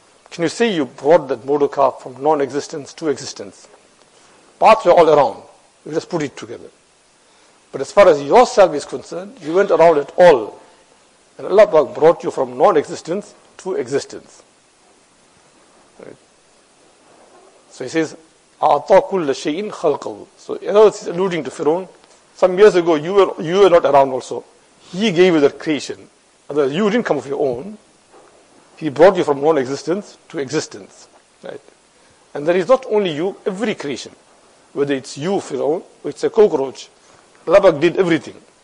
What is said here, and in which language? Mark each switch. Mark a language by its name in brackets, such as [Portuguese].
[English] Can you say you brought that motor car from non-existence to existence? Parts were all around. You just put it together. But as far as yourself is concerned, you went around at all. And Allah brought you from non-existence to existence. Right. So he says, [Arabic] أَعْطَى كُلَّ شَيْءٍ خَلْقَهُ. [English] So in other words, he's alluding to Firaun. Some years ago, you were not around also. He gave you that creation. Otherwise, you didn't come of your own. He brought you from non-existence to existence. Right. And there is not only you, every creation. Whether it's you, Firaun, or it's a cockroach, Labak did everything.